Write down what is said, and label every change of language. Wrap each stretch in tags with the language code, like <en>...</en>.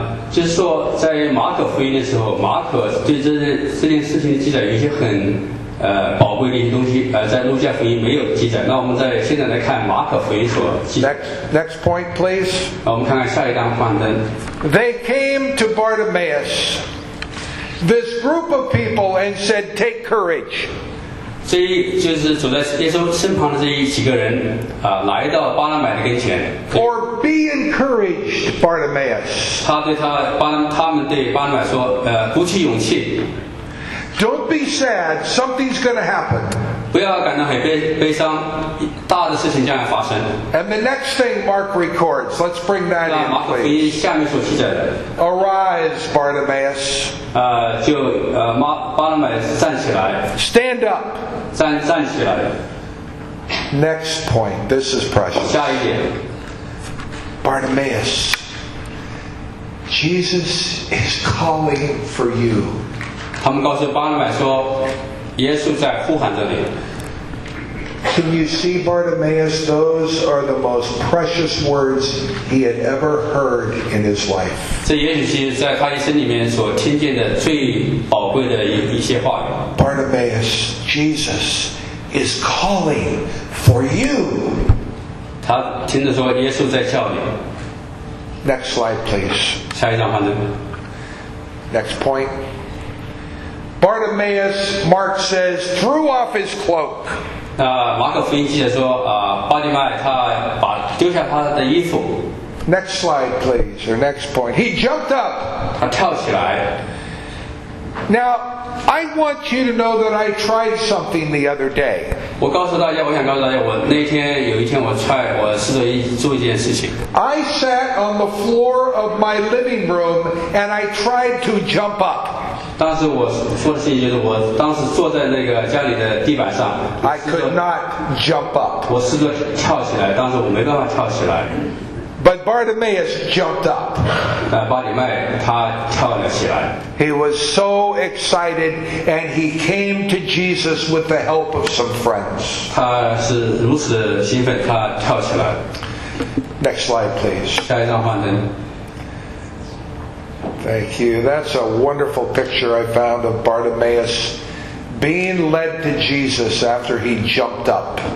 <zh>就是说在马可福音的时候，马可对这件事情的记载有一些很宝贵的一些东西，在路加福音没有记载。那我们在现在来看马可福音所记载。</zh> <en>Next point, please.</en> <zh>我们看看下一张幻灯。</zh> <en>They came to Bartimaeus, this group of people, and said, "Take courage."</en> <zh>这一就是走在耶稣身旁的这几个人啊，来到巴拿买的跟前。</zh> <en>Or be encouraged, Bartimaeus.</en> <zh>他对他巴他们对巴拿买说，鼓起勇气。</zh> <en>Don't be sad. Something's going to happen.</en> <zh>不要感到很悲伤，大的事情将要发生。</zh> <en>And the next thing Mark records, let's bring that in, please.</en> <zh>马可福音下面所记载的。</zh> <en>Arise, Bartimaeus.</en> <zh>巴拿买站起来。</zh> <en>Stand up.</en> <zh>站起来。</zh> <en>Next point. This is precious.</en> <zh>下一点。</zh> <en>Bartimaeus, Jesus is calling for you.</en> <zh>他们告诉巴拿买说，耶稣在呼喊着你。</zh> <en>Can you see, Bartimaeus? Those are the most precious words he had ever heard in his life.</en> <zh>这也许是在他一生里面所听见的最宝贵的一些话。</zh> <en>Bartimaeus, Jesus is calling for you.</en> <zh>他听着说，耶稣在叫你。</zh> <en>Next slide, please.</en> <zh>下一张画面。</zh> <en>Next point. Bartimaeus, Mark says, threw off his cloak.</en> <zh>马可福音记载说，巴拿买他把丢下他的衣服。</zh> <en>Next slide, please, or next point. He jumped up.</en> <zh>他跳起来。</zh> <en>Now, I want you to know that I tried something the other day.</en> <zh>我告诉大家，我想告诉大家，我那天有一天我试着做一件事情。</zh> <en>I sat on the floor of my living room and I tried to jump up.</en> <zh>当时我说的事情就是，我当时坐在那个家里的地板上。</zh> <en>I could not jump up.</en> <zh>我试着跳起来，当时我没办法跳起来。</zh> <en>But Bartimaeus jumped up.</en> <zh>但巴里麦他跳了起来。</zh> <en>He was so excited, and he came to Jesus with the help of some friends.</en> <zh>他是如此兴奋，他跳起来。</zh> <en>Next slide, please.</en> <zh>下一张画面。</zh> <en>Thank you. That's a wonderful picture I found of Bartimaeus being led to Jesus after he jumped up.</en>